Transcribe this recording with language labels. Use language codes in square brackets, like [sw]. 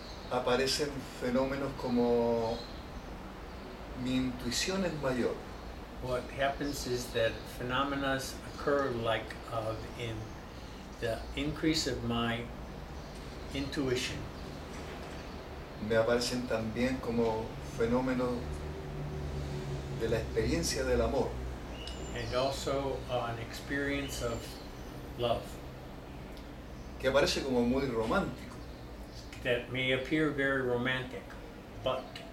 [es] aparecen fenómenos como mi intuición es mayor. [en] What happens is that phenomena occur like of in the increase of my intuition. [es] Me aparecen también como fenómenos de la experiencia del amor. [en] And also an experience of love. [es] Que aparece como muy romántico. [en] That may appear very romantic, but.